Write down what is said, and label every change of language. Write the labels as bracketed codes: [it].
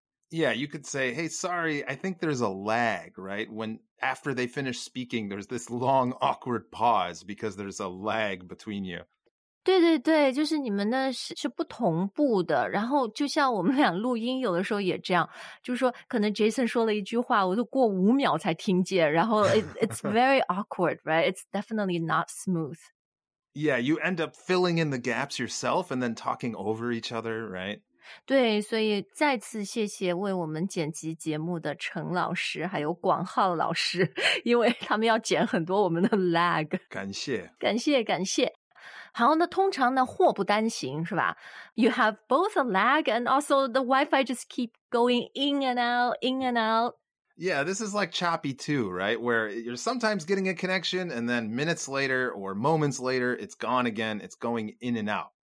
[en] Yeah, you could say, hey, sorry, I think there's a lag, right? When after they finish speaking, there's this long, awkward pause because there's a lag between you. [zh] 对对对，就是你们的是不同步的。然后就像我们俩录音有的时候也这样，就是说可能 Jason 说了一句话，我都过五秒才听见。然后 [en] it's very awkward, right? It's definitely not smooth. Yeah, you end up filling in the gaps yourself and then talking over each other, right? [zh] 对，所以再次谢谢为我们剪辑节目的陈老师，还有广浩老师，因为他们要剪很多我们的 lag。感谢，感谢，感谢。好，那通常呢，祸不单行，是吧？ [en] You have both a lag and also the Wi-Fi just keep going in and out, in and out. Yeah, this is like choppy too, right? Where you're sometimes getting a connection and then minutes later or moments later, it's gone again, it's going in and out.